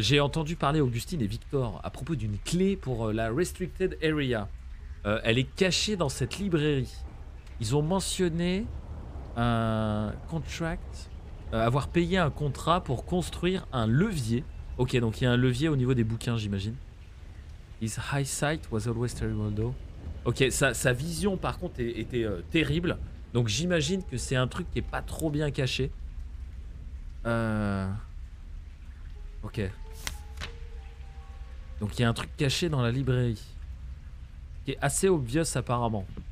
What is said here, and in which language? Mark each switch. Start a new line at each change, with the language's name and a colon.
French: j'ai entendu parler Augustine et Victor à propos d'une clé pour la
English: restricted area.
French: Elle est cachée dans cette librairie. Ils ont mentionné un contract, avoir payé un contrat pour construire un levier. Ok, donc il y a un levier au niveau des bouquins, j'imagine.
English: His eyesight was always terrible though.
French: Ok, sa vision par contre était terrible. Donc j'imagine que c'est un truc qui est pas trop bien caché. Ok. Donc il y a un truc caché dans la librairie. Qui est assez obvious apparemment.